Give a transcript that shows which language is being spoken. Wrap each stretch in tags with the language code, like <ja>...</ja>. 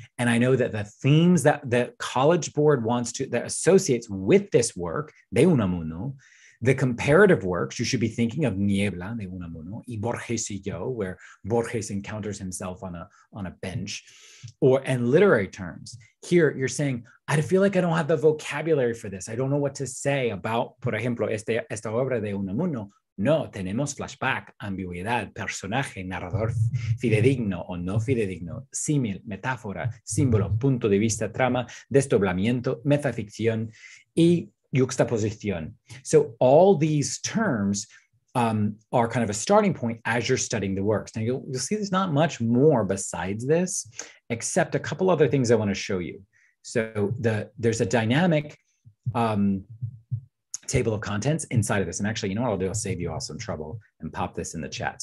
<en>And I know that the themes that the College Board wants to, that associates with this work, de Unamuno, the comparative works, you should be thinking of Niebla de Unamuno, y Borges y Yo, where Borges encounters himself on a bench, or and literary terms. Here, you're saying, I feel like I don't have the vocabulary for this. I don't know what to say about,</en> <es>por ejemplo, esta obra de Unamuno. No, tenemos flashback, ambigüedad, personaje, narrador, fidedigno o no fidedigno, símil, metáfora, símbolo, punto de vista, trama, desdoblamiento, metaficción y juxtaposición.</es> <en>So all these terms are kind of a starting point as you're studying the works. Now you'll see there's not much more besides this, except a couple other things I want to show you. So there's a dynamic table of contents inside of this. And actually, you know what I'll do? I'll save you all some trouble and pop this in the chat.</en>